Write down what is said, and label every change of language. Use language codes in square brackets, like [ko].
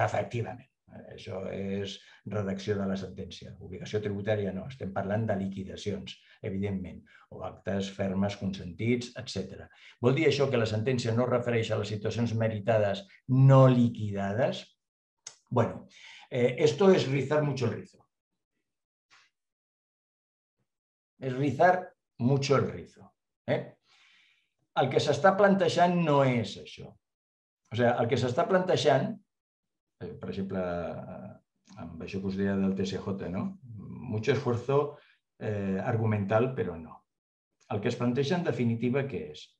[ca] Efectivament, això és redacció de la sentència. Obligació tributària no, estem parlant de liquidacions, evidentment, o actes fermes, consentits, etc. Vol dir això que la sentència no refereix a les situacions meritades no liquidades? [es] Bueno, esto es rizar mucho el rizo. Es rizar mucho el rizo. [ca] El que s'està plantejant no és això. O sea, el que s'està plantejant, per exemple, amb això que us deia del TSJ, no? [es] Mucho esfuerzo argumental, [ca] però no. El que es planteja en definitiva què és?